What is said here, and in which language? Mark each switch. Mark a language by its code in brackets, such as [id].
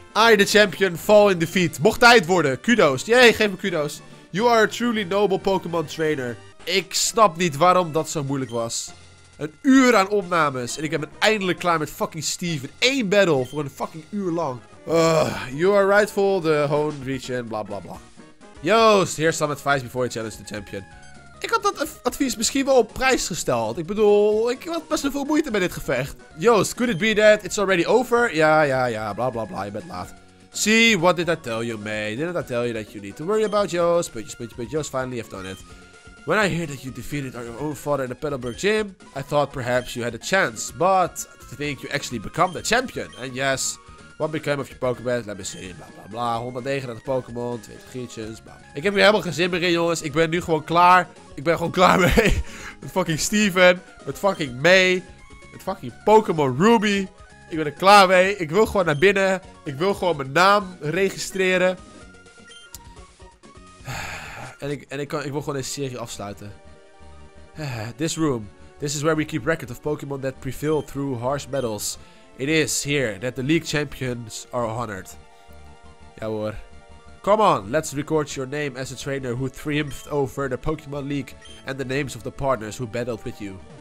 [en] I, the champion, fall in defeat. [nl] Mocht tijd worden. Kudos. Jee, geef me kudos. [en] You are a truly noble Pokémon trainer. [nl] Ik snap niet waarom dat zo moeilijk was. Een uur aan opnames en ik ben eindelijk klaar met fucking Steve. In één battle voor een fucking uur lang. [en] You are rightful, the home region, bla bla bla. Joost, here's some advice before you challenge the champion. [nl] Ik had dat advies misschien wel op prijs gesteld. Ik bedoel, ik had best wel veel moeite met dit gevecht. Joost, [en] could it be that it's already over? [nl] Ja, ja, ja, bla bla bla, je bent laat. [en] See, what did I tell you, man? Didn't I tell you that you need to worry about Joost? But Joost finally have done it. When I hear that you defeated your own father in the Pedalburg Gym, I thought perhaps you had a chance, but I think you actually become the champion. And yes, what became of your Pokémon? Let me see, bla bla bla, 139 Pokémon, 20 gietjes, bla. [nl] Ik heb hier helemaal geen zin meer in, jongens. Ik ben nu gewoon klaar. Ik ben gewoon klaar mee. Met fucking Steven, met fucking May, met fucking Pokémon Ruby. Ik ben er klaar mee. Ik wil gewoon naar binnen. Ik wil gewoon mijn naam registreren. En ik wil gewoon deze serie afsluiten. [en] This room. This is where we keep record of Pokémon that prevail through harsh battles. It is here that the league champions are honored. [nl] Ja hoor. [en] Come on, let's record your name as a trainer who triumphed over the Pokémon League. And the names of the partners who battled with you.